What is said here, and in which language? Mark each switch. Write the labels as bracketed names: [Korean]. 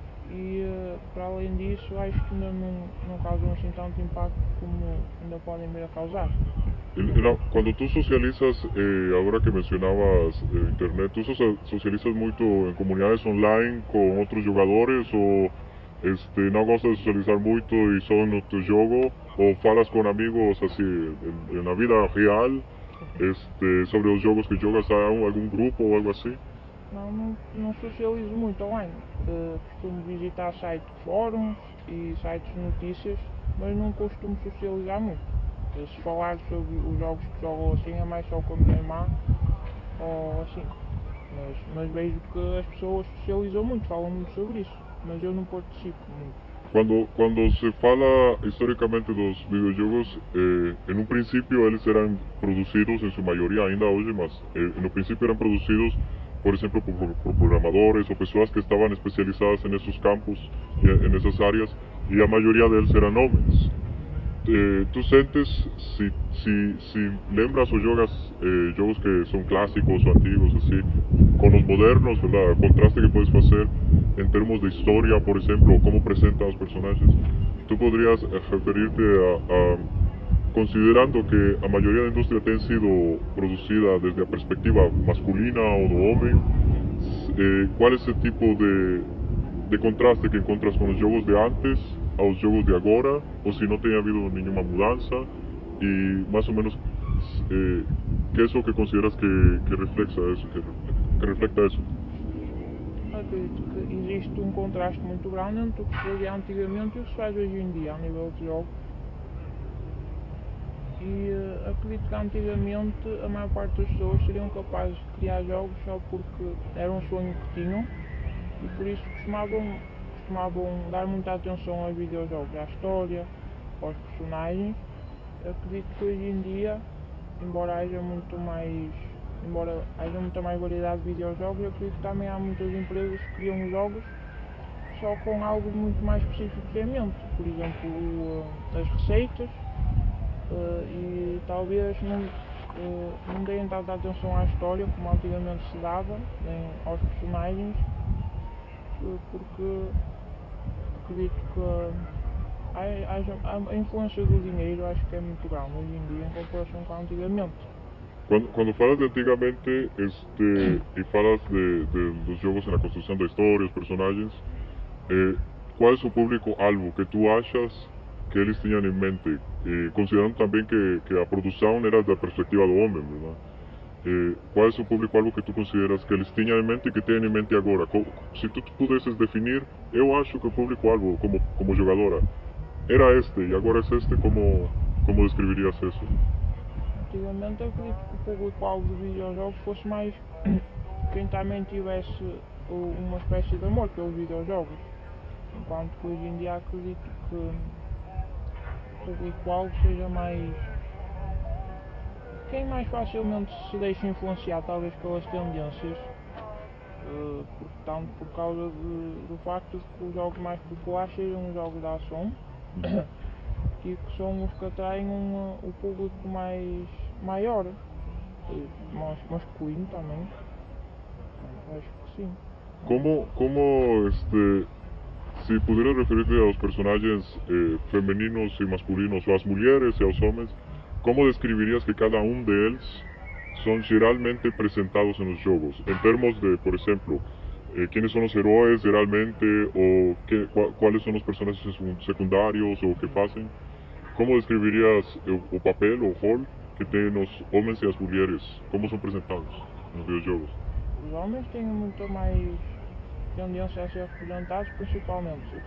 [Portuguese] E para além disso, acho que ainda não causam assim tanto impacto como ainda podem vir a causar. [Spanish] Cuando tú socializas, ahora que mencionabas internet, ¿tú socializas mucho en comunidades online con otros jugadores o no gustas de socializar mucho y solo en tu juego o falas con amigos así en la vida real sobre los juegos que juegas a algún grupo o algo así? [Portuguese] Não socializo muito online. Costumo visitar sites de fóruns e sites de notícias, mas não costumo socializar muito. Se falar sobre os jogos que jogo assim, é mais só com a minha irmã ou assim. Mas vejo que as pessoas socializam muito, falam muito sobre isso, mas eu não participo muito. [Spanish] Cuando se fala históricamente de los videojuegos, en un principio ellos eran producidos en su mayoría, ainda hoy más, en un principio eran producidos, por ejemplo, por programadores o personas que estaban especializadas en esos campos, en esas áreas, y la mayoría de ellos eran hombres. ¿Tú sientes, si lembras o juegas juegos que son clásicos o antiguos, así, con los modernos, ¿verdad? El contraste que puedes hacer en términos de historia, por ejemplo, cómo presenta a los personajes, tú podrías referirte a considerando que la mayoría de la industria ha sido producida desde la perspectiva masculina o de hombre, ¿cuál es el tipo de contraste que encuentras con los juegos de antes a los juegos de ahora? O si no te ha habido ninguna mudanza, y más o menos, ¿qué es lo que consideras que refleja eso? [Portuguese] Acredito que existe um contraste muito grande entre o que se fazia antigamente e o que se faz hoje em dia, a nível de jogos. E acredito que antigamente a maior parte das pessoas seriam capazes de criar jogos só porque era um sonho que tinham e por isso costumavam dar muita atenção aos videojogos, à história, aos personagens. Acredito que hoje em dia, embora haja muita mais variedade de videojogos, eu acredito que também há muitas empresas que criam jogos só com algo muito mais específico que a mente. Por exemplo, as receitas. E talvez não deem tanta atenção à história como antigamente se dava, nem aos personagens. Porque acredito que a influência do dinheiro acho que é muito grande hoje em dia em comparação com antigamente. [Spanish] Cuando falas de antiguamente y falas de los juegos en la construcción de historias, personajes, ¿cuál es su público algo que tú achas que ellos tenían en mente? Considerando también que la producción era de la perspectiva del hombre, ¿verdad? ¿Cuál es su público? Algo que tú consideras que les tenía en mente y que tienen en mente ahora. Si tú pudieses definir, yo acho que público algo como jugadora era este y ahora es este, ¿cómo describirías eso? [Portuguese] Antigamente eu acredito que o público-alvo de videojogos fosse mais quem também tivesse uma espécie de amor pelos videojogos. Enquanto que hoje em dia acredito que o público-alvo seja mais quem mais facilmente se deixa influenciar, talvez pelas tendências, portanto, por causa do facto de que os jogos mais populares sejam os jogos de ação. E que são os que atraem o público mais maior, mais masculino também. Acho que sim. Como se pudieras referir-te aos personagens femininos e masculinos, ou às mulheres e aos homens, como descreverias que cada um deles são geralmente apresentados nos jogos? Em termos de, por exemplo, [Spanish] ¿quiénes son los héroes realmente? ¿O cuáles son los personajes secundarios o qué hacen? ¿Cómo describirías el papel o rol que tienen los hombres y las mujeres? ¿Cómo son presentados en los videojuegos? Los hombres tienen mucho más tendencia a ser representados, principalmente.